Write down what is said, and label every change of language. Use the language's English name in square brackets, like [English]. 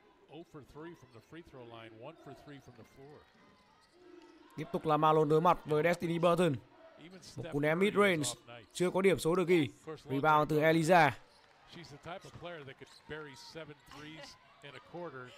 [English] 0 for 3 from the free throw line, 1 for 3 from the floor. [Vietnamese] Tiếp tục là Malone đối mặt với Destiny Burton. Một cú ném mid range chưa có điểm số được ghi. Rebound từ Eliza. [English] She's the type of player that could bury 7 threes in a quarter.